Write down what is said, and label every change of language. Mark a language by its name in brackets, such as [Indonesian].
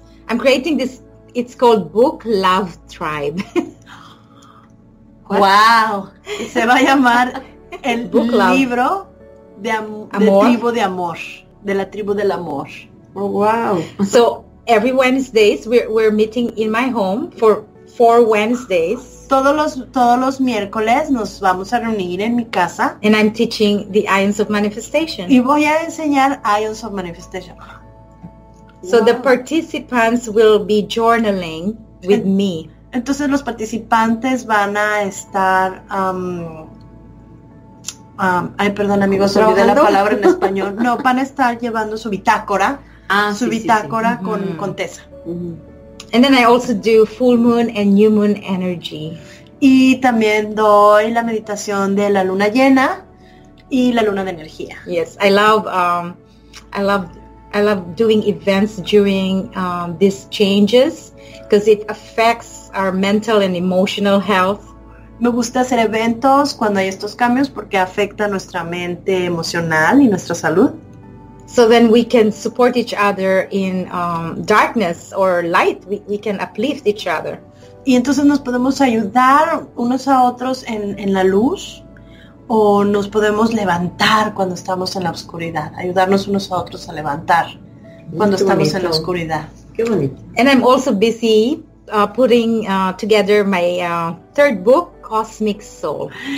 [English] I'm creating this, it's called Book Love Tribe. Wow. [Spanish] Se va a llamar el Book libro Love. De amor. De tribu de amor. De la tribu del amor. [English] Oh, wow. So every Wednesdays we're meeting in my home for 4 Wednesdays. [Spanish] Todos los miércoles nos vamos a reunir en mi casa. [English] And I'm teaching the Ions of Manifestation. [Spanish] Y voy a enseñar [English] Ions of Manifestation. So wow. The participants will be journaling with me. [Spanish] Entonces los participantes van a estar, van a estar llevando su bitácora, con Tessa. Mm-hmm. [English] And then I also do full moon and new moon energy. [Spanish] Y también doy la meditación de la luna llena y la luna de energía. [English] Yes, I love doing events during these changes because it affects our mental and emotional health. [Spanish] Me gusta hacer eventos cuando hay estos cambios porque afecta nuestra mente emocional y nuestra salud. [English] So then we can support each other in darkness or light. We can uplift each other. [Spanish] Y entonces nos podemos ayudar unos a otros en la luz. O nos podemos levantar cuando estamos en la oscuridad, ayudarnos unos a otros a levantar cuando estamos en la oscuridad. Qué bonito. [English] And I'm also busy putting together my third book, Cosmic Soul.